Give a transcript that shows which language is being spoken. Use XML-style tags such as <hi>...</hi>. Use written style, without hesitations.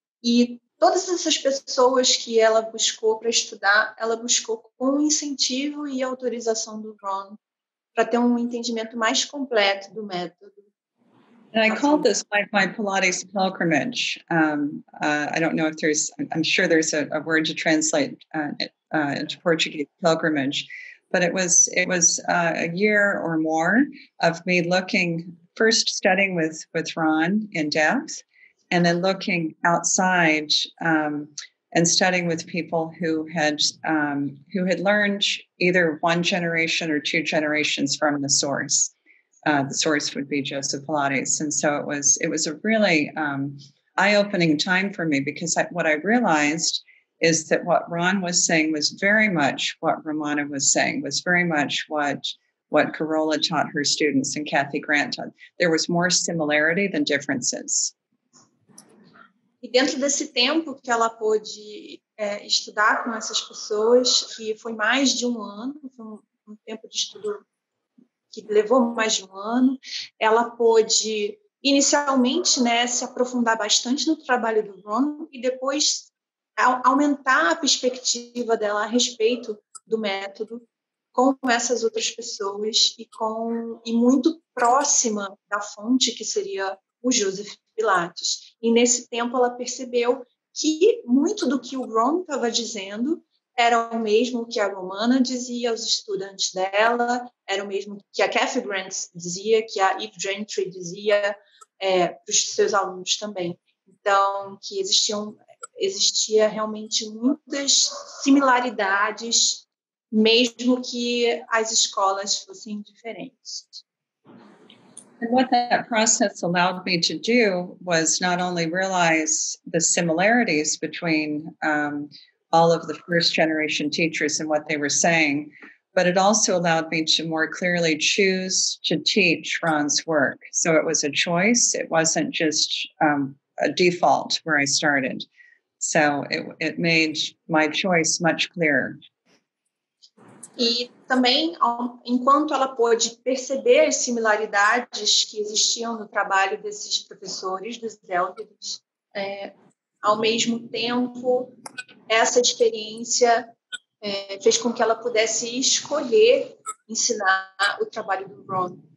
<pt>E todas essas pessoas que ela buscou para estudar, ela buscou com incentivo e autorização do Ron para ter um entendimento mais completo do método.</pt> <en>And I call this my Pilates pilgrimage. I don't know if there's, I'm sure there's a word to translate into Portuguese, pilgrimage. But it was a year or more of me looking, first studying with Ron in depth, and then looking outside and studying with people who had learned either one generation or two generations from the source. The source would be Joseph Pilates. And so it was a really eye-opening time for me because what I realized is that what Ron was saying was very much what Ramana was saying, was very much what Carola taught her students and Kathy Grant taught. There was more similarity than differences.</en> <pt>E dentro desse tempo que ela pôde estudar com essas pessoas, que foi mais de um ano, foi um tempo de estudo que levou mais de um ano, ela pôde inicialmente, né, se aprofundar bastante no trabalho do Ron e depois aumentar a perspectiva dela a respeito do método com essas outras pessoas e muito próxima da fonte que seria o Joseph Pilates. E nesse tempo ela percebeu que muito do que o Ron estava dizendo era o mesmo que a Romana dizia aos estudantes dela, era o mesmo que a Cathy Grant dizia, que a Eve Gentry dizia para os seus alunos também. Então, que existia realmente muitas similaridades, mesmo que as escolas fossem diferentes.</pt> <en>And what that process allowed me to do was not only realize the similarities between all of the first generation teachers and what they were saying, but it also allowed me to more clearly choose to teach Ron's work. So it was a choice. It wasn't just a default where I started. So it made my choice much clearer.</en> <pt>E também, enquanto ela pôde perceber as similaridades que existiam no trabalho desses professores, dos élderes, ao mesmo tempo, essa experiência fez com que ela pudesse escolher ensinar o trabalho do Ron.</pt>